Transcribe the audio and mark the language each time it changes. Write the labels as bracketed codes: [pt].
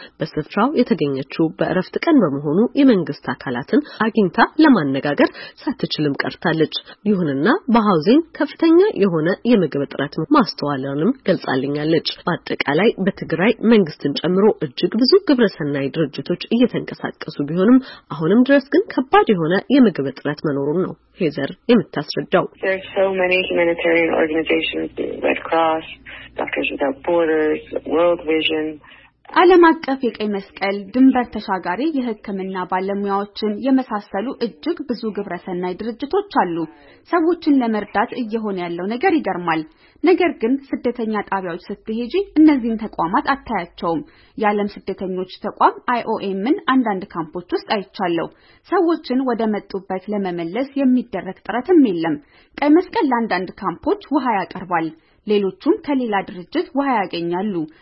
[am] በስፍራው የተገኘችው በእረፍት ቀን በመሆኑ የመንግስት አካላትን አግኝታ ለማነጋገር ሳትችልም ቀርታለች። ይሁንና በሃውዜን ከፍተኛ የሆነ የምግብ እጥረት ማስተዋልንም ገልጻልኛለች። በአጠቃላይ በትግራይ መንግስትን ጨምሮ እጅግ ብዙ ግብረሰናይ ድርጅቶች እየተንቀሳቀሱ ቢሆንም አሁንም ድረስ ግን ከባድ የሆነ የምግብ እጥረት መኖሩን ነው ሄዘር የምታስረዳው። [en] There are so many humanitarian organizations, Red Cross, Doctors Without Borders, World Vision. [am] ዓለም አቀፍ የቀይ መስቀል፣ ድንበር ተሻጋሪ የሕክምና ባለሙያዎችን የመሳሰሉ እጅግ ብዙ ግብረሰናይ ድርጅቶች አሉ። ሰዎችን ለመርዳት እየሆነ ያለው ነገር ይገርማል። ነገር ግን ስደተኛ ጣቢያዎች ስትሄጂ እነዚህን ተቋማት አታያቸውም። የዓለም ስደተኞች ተቋም IOM-ን አንዳንድ ካምፖች ውስጥ አይቻለሁ። ሰዎችን ወደ መጡበት ለመመለስ የሚደረግ ጥረትም የለም። ቀይ መስቀል ለአንዳንድ ካምፖች ውሃ ያቀርባል። ሌሎችም ከሌላ ድርጅት ውሃ ያገኛሉ።